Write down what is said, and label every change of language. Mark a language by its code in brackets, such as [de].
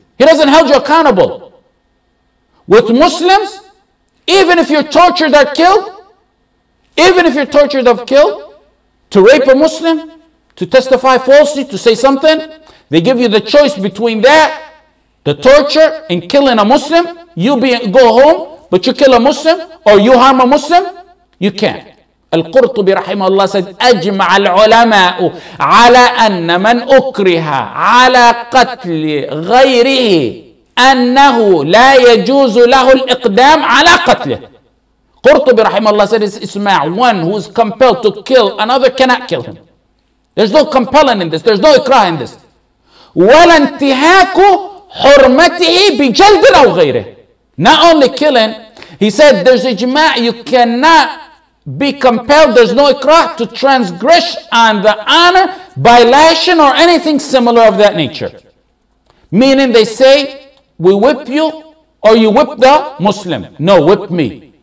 [en] He doesn't hold you accountable. With Muslims, even if you're tortured or killed, even if you're tortured or killed, to rape a Muslim, to testify falsely, to say something, they give you the choice between that, the torture, and killing a Muslim. You be, go home, but you kill a Muslim, or you harm a Muslim, you can't. Al-Qurtubi rahimahullah said, [ar] أَجْمَعَ الْعُلَمَاءُ عَلَىٰ أَنَّ مَنْ أُكْرِهَا عَلَىٰ قَتْلِ غَيْرِهِ أَنَّهُ لَا يَجُوزُ لَهُ الْإِقْدَامُ عَلَىٰ قَتْلِهِ. [en] Qurtubi rahimahullah said, Isma', one who is compelled to kill another cannot kill him. There's no compelling in this. There's no ikrah in this. [ar] وَلَا انْتِهَاكُ حُرْمَتِهِ بِجَلْدٍ أَوْ غَيْرِهِ. [en] Not only killing, he said, there's ijma', you cannot be compelled, there's no ikrah, to transgress on the honor by lashing or anything similar of that nature. Meaning they say, we whip you or you whip the Muslim. No, whip me.